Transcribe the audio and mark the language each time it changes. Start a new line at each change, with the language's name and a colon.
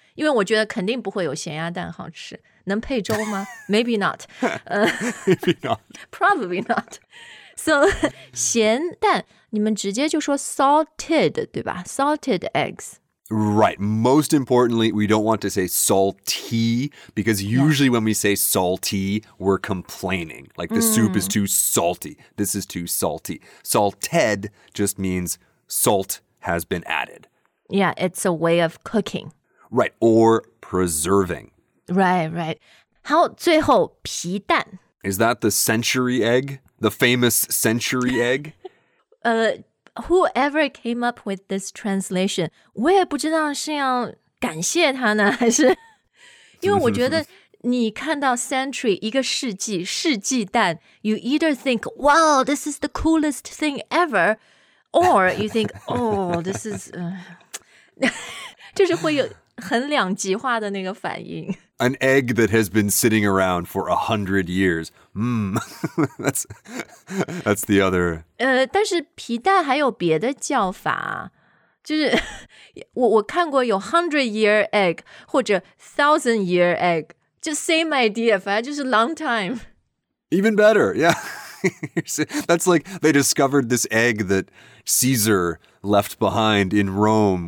Chinese: 因为我觉得肯定不会有咸鸭蛋好吃。能配粥吗?
English: Maybe not. Probably not.
Chinese: So, 咸蛋,你们直接就说 salted,对吧?
English: Salted eggs. Right. Most importantly, we don't want to say salty, because usually when we say salty, we're complaining. Like the soup is too salty. This is too salty. Salted just means salt has been added. Yeah, it's a way of cooking. Right, or preserving.
Chinese: Right, right. 好,最后,皮蛋.
English: Is that the century egg? The famous century egg?
Chinese: Whoever came up with this translation, 我也不知道是要感谢他呢,还是...
English: 因为我觉得你看到century,一个世纪,世纪蛋, you either think, wow, this is the coolest thing ever, or you think, oh, this is...
Chinese: 就是会有...很两极化的那个反应.
English: An egg that has been sitting around for 100 years. that's the other.
Chinese: 但是皮蛋还有别的叫法, 就是我看过有 100-year egg 或者 1,000-year egg, just same idea, 反正就是 long time.
English: Even better, yeah. That's like they discovered this egg that Caesar left behind in Rome.